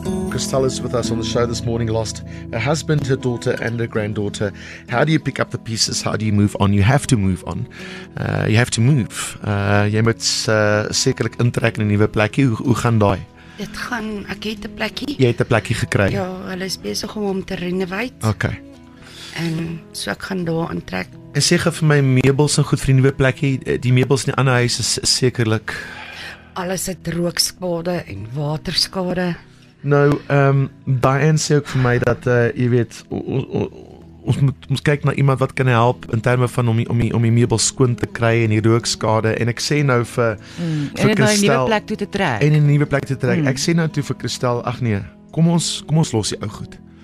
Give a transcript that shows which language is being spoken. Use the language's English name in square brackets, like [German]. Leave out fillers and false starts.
[English] Costello's with us on the show this morning. Lost a husband, her daughter, and her granddaughter. How do you pick up the pieces? How do you move on? You have to move on. You have to move. [Afrikaans] Jy moet sekerlik intrek in 'n nuwe plekkie. Hoe gaan daai? Dit gaan, ek het 'n plekkie. Jy het 'n plekkie gekry? Ja, hulle is besig om hom te renovate. Okay. En so ek gaan daar intrek. En sê gou vir my, meubels en goed vir die nuwe plekkie. Die meubels in die ander huis is sekerlik... Alles het rookskade en waterskade. Nou, Diane sê ook vir my dat, jy weet, ons moet ons kyk na iemand wat kan help in terme van om die meubels skoon te kry en die rookskade. En ek sê nou vir Christel... En in die nuwe plek toe te trek. Ek sê nou toe vir Christel, ag nee, kom ons los die ou goed.